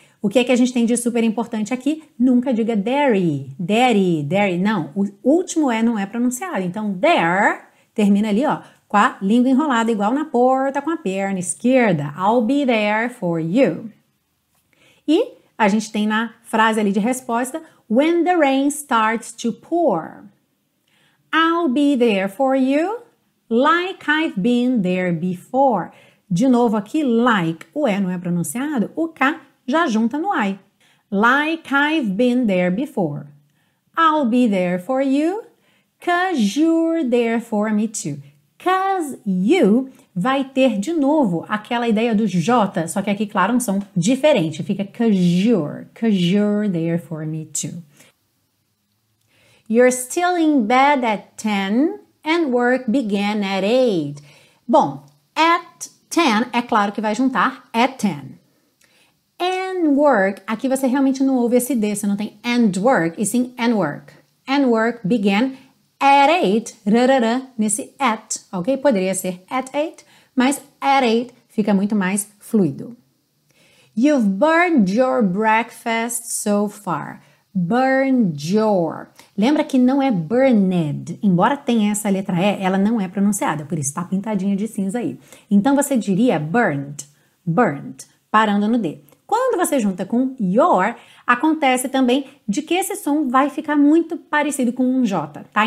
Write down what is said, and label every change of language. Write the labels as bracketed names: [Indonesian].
[Portuguese] O que é que a gente tem de super importante aqui? Nunca diga there. Não, o último E não é pronunciado. Então, there termina ali, ó. Com a língua enrolada, igual na porta, com a perna esquerda. [English] I'll be there for you. [Portuguese] E a gente tem na frase ali de resposta, [English] when the rain starts to pour, I'll be there for you, like I've been there before. [Portuguese] De novo aqui, like, o E não é pronunciado, o K já junta no I. [English] Like I've been there before. I'll be there for you, 'cause you're there for me too. Because you [Portuguese] vai ter, de novo, aquela ideia do J, só que aqui, claro, um som diferente. Fica [English] because you're there for me too. You're still in bed at 10 and work began at 8. [Portuguese] Bom, [English] at 10, [Portuguese] é claro que vai juntar at 10. [English] And work, [Portuguese] aqui você realmente não ouve esse D, você não tem and work, e sim and work. [English] And work began at 8, rarara, [Portuguese] nesse [English] at, ok? [Portuguese] Poderia ser [English] at 8, [Portuguese] mas at 8 fica muito mais fluido. [English] You've burned your breakfast so far. Burned your. [Portuguese] Lembra que não é burned, embora tenha essa letra E, ela não é pronunciada, por isso está pintadinha de cinza aí. Então você diria burned, parando no D. Quando você junta com your, acontece também de que esse som vai ficar muito parecido com um J, tá?